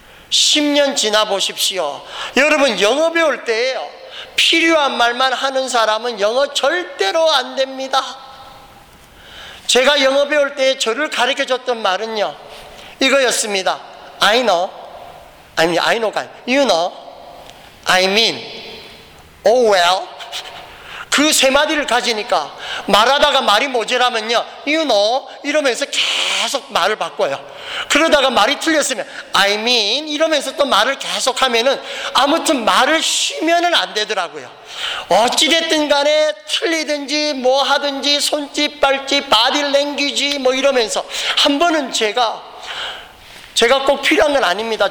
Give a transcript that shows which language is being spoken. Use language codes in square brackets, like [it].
[ko] 10년 지나 보십시오. 여러분 영어 배울 때예요. 필요한 말만 하는 사람은 영어 절대로 안 됩니다. 제가 영어 배울 때 저를 가르쳐줬던 말은요 이거였습니다. [en] I know, I mean, I know, you know, I mean, oh well. [ko] 그 세 마디를 가지니까 말하다가 말이 모자라면요, [en] you know, [ko] 이러면서 계속 말을 바꿔요. 그러다가 말이 틀렸으면 [en] I mean, [ko] 이러면서 또 말을 계속 하면은 아무튼 말을 쉬면은 안 되더라고요. 어찌됐든 간에 틀리든지 뭐 하든지 손짓, 발짓, 바디랭귀지 뭐 이러면서 한 번은 제가 꼭 필요한 건 아닙니다.